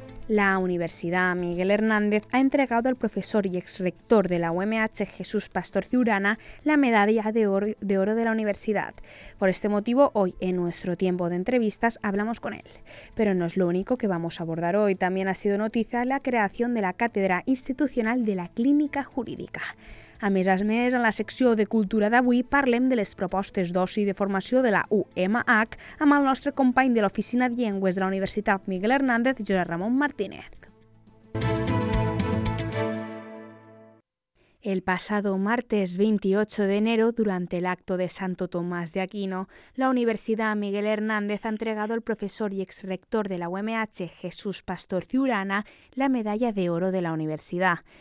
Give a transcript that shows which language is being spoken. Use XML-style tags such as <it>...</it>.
<es>La Universidad Miguel Hernández ha entregado al profesor y exrector de la UMH, Jesús Pastor Ciurana, la Medalla de Oro de la Universidad. Por este motivo, hoy, en nuestro tiempo de entrevistas, hablamos con él. Pero no es lo único que vamos a abordar hoy. También ha sido noticia la creación de la Cátedra Institucional de la Clínica Jurídica.</es> <ca>A més a més, en la secció de Cultura d'avui parlem de les propostes d'oci de formació de la UMH amb el nostre company de l'Oficina de Llengües de la Universitat Miguel Hernández, Josep Ramon Martínez.</ca> <es>El pasado martes 28 de enero, durante el acto de Santo Tomás de Aquino, la Universidad Miguel Hernández ha entregado al profesor y exrector de la UMH, Jesús Pastor Ciurana, la Medalla de Oro de la Universidad.</es>